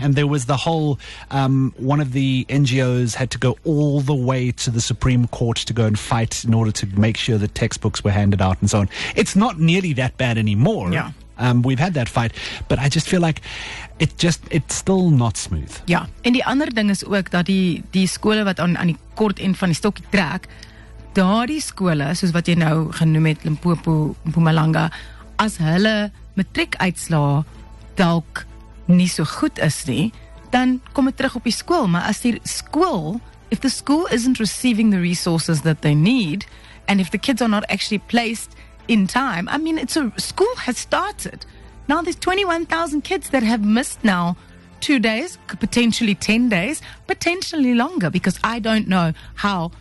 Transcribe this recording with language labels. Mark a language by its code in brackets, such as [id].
[en] And there was the whole, one of the NGOs had to go all the way to the Supreme Court to go and fight in order to make sure the textbooks were handed out and so on. It's not nearly that bad anymore. Yeah. We've had that fight, but I just feel like it's still not smooth. [af] Ja, en die ander ding is ook dat die skole wat aan die kort end van die stokkie trek, daardie skole, soos wat jy nou genoem het, Limpopo, Mpumalanga, as hulle matriek uitslaa dalk nie so goed is nie, dan kom het terug op die skool. Maar as die skool, [en] if the school isn't receiving the resources that they need, and if the kids are not actually placed in time, I mean, school has started. Now there's 21,000 kids that have missed now 2 days, potentially 10 days, potentially longer, because I don't know how